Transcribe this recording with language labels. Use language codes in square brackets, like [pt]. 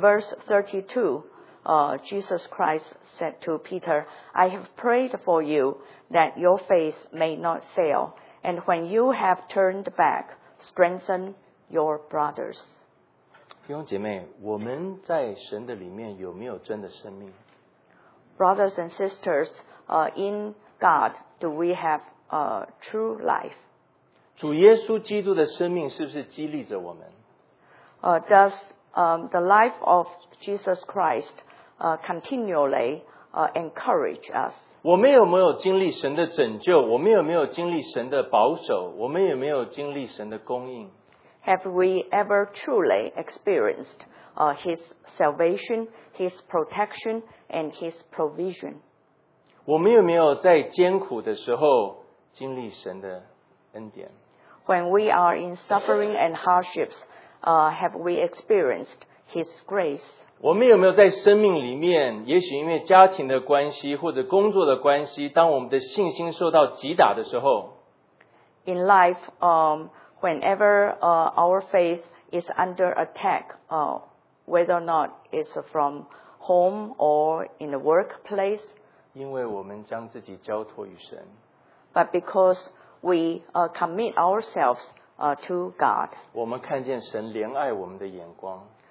[en] verse 32, Jesus Christ said to Peter, I have prayed for you that your faith may not fail, and when you have turned back, strengthen your brothers. [zh] 弟兄姐妹，我们在神的里面有没有真的生命？ [en] brothers and sisters, in God do we have true life? [zh] 主耶稣基督的生命是不是激励着我们？ [en] Does the life of Jesus Christ continually encourage us? [zh] 我们有没有经历神的拯救？我们有没有经历神的保守？我们有没有经历神的供应？ [en] Have we ever truly experienced His salvation, His protection, and His provision? [zh] 我们有没有在艰苦的时候经历神的恩典？ [en] When we are in suffering and hardships, have we experienced His grace? [zh] 我们有没有在生命里面，也许因为家庭的关系或者工作的关系，当我们的信心受到击打的时候 [en] ？In life, whenever our faith is under attack, whether or not it's from home or in the workplace, [zh] 因为我们将自己交托于神 [en] ，but because we commit ourselves to God. [zh] 我们看见神怜爱我们的眼光。